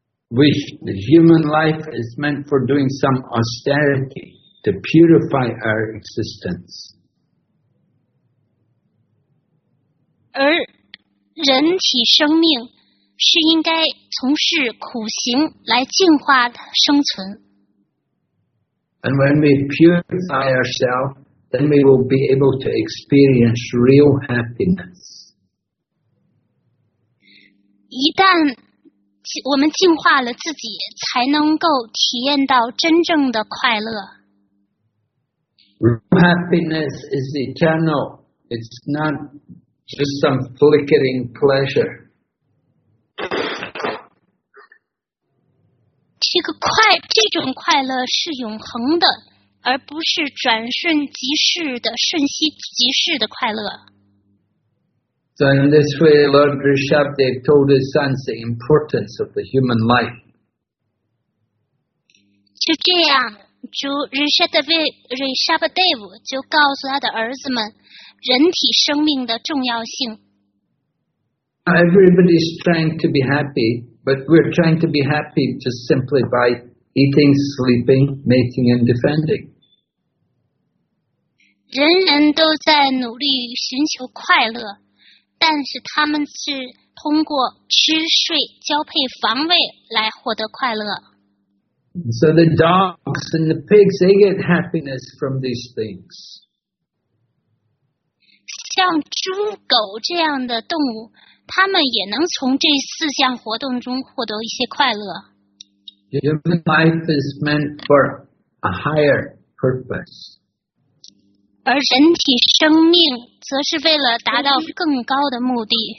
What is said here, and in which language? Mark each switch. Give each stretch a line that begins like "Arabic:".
English: The human life is meant for doing some austerity to purify our existence.
Chinese: 而人体生命是应该从事苦行来净化生存。
English: And when we purify ourselves, then we will be able to experience real happiness.
Chinese: 一旦我们净化了自己，才能够体验到真正的快乐。
English: Happiness is eternal. It's not just some flickering pleasure.
Chinese: 这种快乐是永恒的，而不是转瞬即逝的瞬息即逝的快乐。
English: So in this way, Lord Rishabhdev told his sons the importance of the human life.
Chinese: 就这样，主 Rishabhdev 就告诉他的儿子们人体生命的重要性。
English: Everybody is trying to be happy, but we're trying to be happy just simply by eating, sleeping, mating, and defending.
Chinese: 人人都在努力寻求快乐。但是他们是通过吃睡交配防卫来获得快乐。
English: So the dogs and the pigs, they get happiness from these things.
Chinese: 像猪狗这样的动物，他们也能从这四项活动中获得一些快乐。
English: Human life is meant for a higher purpose.
Chinese: 而人体生命则是为了达到更高的目的。